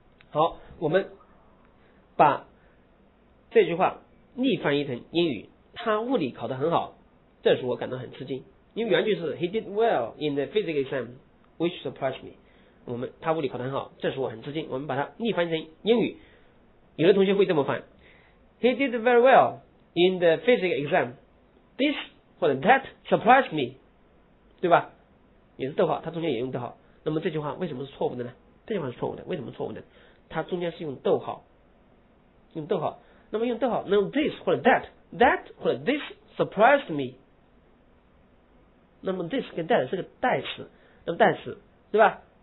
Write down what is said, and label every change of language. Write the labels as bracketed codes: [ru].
[zh] 好，我们把这句话逆翻译成英语，他物理考得很好，这时我感到很吃惊，因为原句是 He did well in the physics exam, which surprised me。我们他物理考得很好，这时我很吃惊。我们把它逆翻译成英语，有的同学会这么翻 ： He did very well in the physics exam. [en] This 或者 that surprised me， 对吧？ [zh] 也是逗号，他中间也用逗号。那么这句话为什么是错误的呢？这句话是错误的，为什么错误呢？它中间是用逗号，用逗号。那么用逗号，那么 this 或者 that 或者 this surprised me。那么 this 跟 that 是个代词，那么代词，对吧？